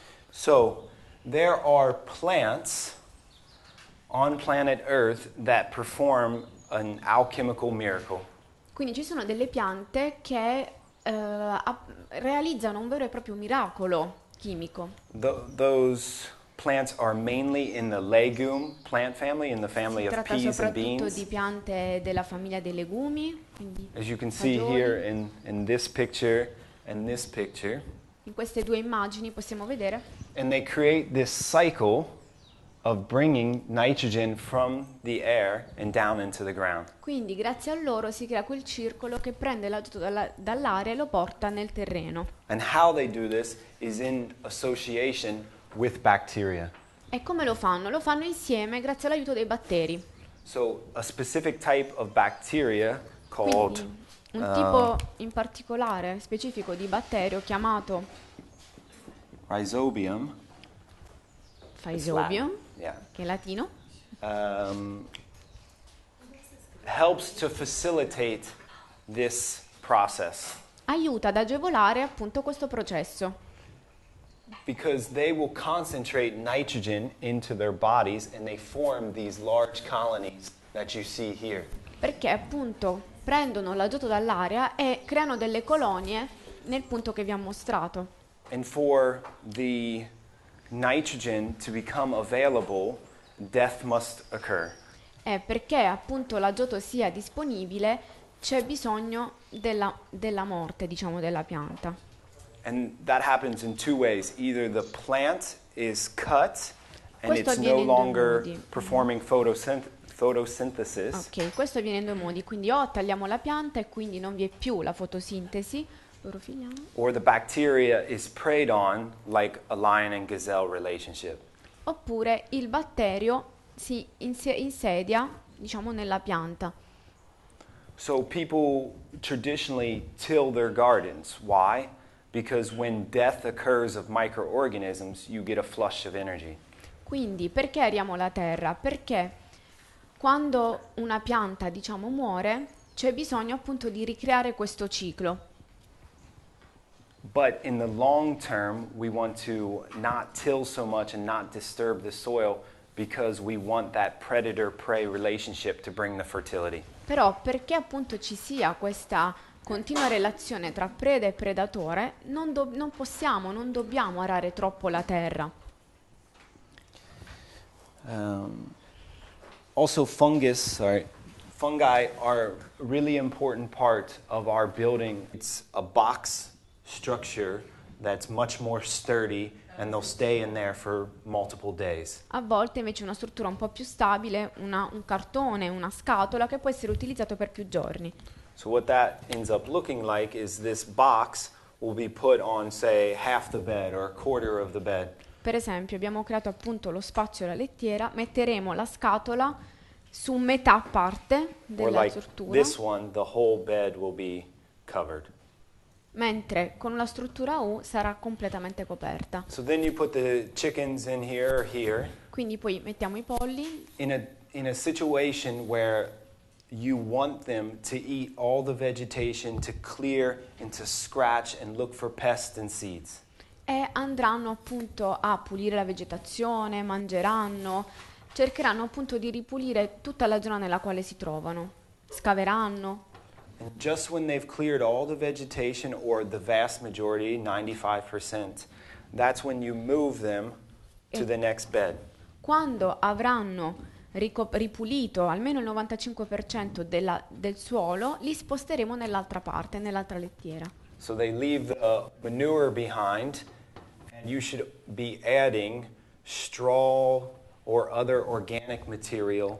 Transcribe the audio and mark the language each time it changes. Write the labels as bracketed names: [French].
[English] So, there are plants on planet Earth that perform an alchemical miracle. [Italian] Quindi ci sono delle piante che realizzano un vero e proprio miracolo chimico. [English] Those plants are mainly in the legume plant family, in the family of peas and beans. [Italian] Si tratta soprattutto di piante della famiglia dei legumi, quindi [English] as you can see here in this picture and this picture. [Italian] In queste due immagini possiamo vedere. [English] And they create this cycle of bringing nitrogen from the air and down into the ground. [Italian] Quindi grazie a loro si crea quel circolo che prende l'azoto dall'aria e lo porta nel terreno. [English] And how they do this is in association with bacteria. [Italian] E come lo fanno? Lo fanno insieme grazie all'aiuto dei batteri. [English] So a specific type of bacteria called [Italian] Tipo in particolare, specifico di batterio chiamato [English] Rhizobium. [Italian] Rhizobium, [English] yeah. [Italian] Che è latino. [English] Helps to facilitate this process. [Italian] Aiuta ad agevolare appunto questo processo. [English] Because they will concentrate nitrogen into their bodies and they form these large colonies that you see here. [Italian] Perché appunto prendono l'azoto dall'aria e creano delle colonie nel punto che vi ho mostrato. [English] And for the nitrogen to become available, death must occur. [Italian] E perché appunto l'azoto sia disponibile, c'è bisogno della morte, diciamo, della pianta. [English] And that happens in two ways. Either the plant is cut and [Italian] questo [English] it's no longer performing photosynthesis. [Italian] Ok, questo avviene in due modi. Quindi o tagliamo la pianta e quindi non vi è più la fotosintesi. [English] Or the bacteria is preyed on like a lion and gazelle relationship. [Italian] Oppure il batterio si insedia, diciamo, nella pianta. [English] So people traditionally till their gardens. Why? Because when death occurs of microorganisms, you get a flush of energy. [Italian] Quindi, perché ariamo la terra? Perché quando una pianta, diciamo, muore, c'è bisogno appunto di ricreare questo ciclo. [English] But in the long term, we want to not till so much and not disturb the soil because we want that predator-prey relationship to bring the fertility. [Italian] Però perché appunto ci sia questa continua relazione tra preda e predatore, non dobbiamo arare troppo la terra. [English] Also fungus, sorry. Fungi are a really important part of our building. It's a box structure that's much more sturdy and they'll stay in there for multiple days. [Italian] A volte invece una struttura un po' più stabile, un cartone, una scatola che può essere utilizzato per più giorni. [English] So what that ends up looking like is this box will be put on, say, half the bed or a quarter of the bed. [Italian] Per esempio, abbiamo creato appunto lo spazio, la lettiera, metteremo la scatola su metà parte della struttura. [English] Or like this one, the whole bed will be covered. [Italian] Mentre con la struttura U sarà completamente coperta. [English] So then you put the chickens in here or here. [Italian] Quindi poi mettiamo i polli. [English] In a situation where you want them to eat all the vegetation, to clear and to scratch and look for pests and seeds. [Italian] E andranno appunto a pulire la vegetazione, mangeranno, cercheranno appunto di ripulire tutta la zona nella quale si trovano, scaveranno. [English] And just when they've cleared all the vegetation, or the vast majority, 95%, that's when you move them to the next bed. [Italian] Quando avranno ripulito almeno il 95% del suolo, li sposteremo nell'altra parte, nell'altra lettiera. [English] So they leave the manure behind, and you should be adding straw or other organic material.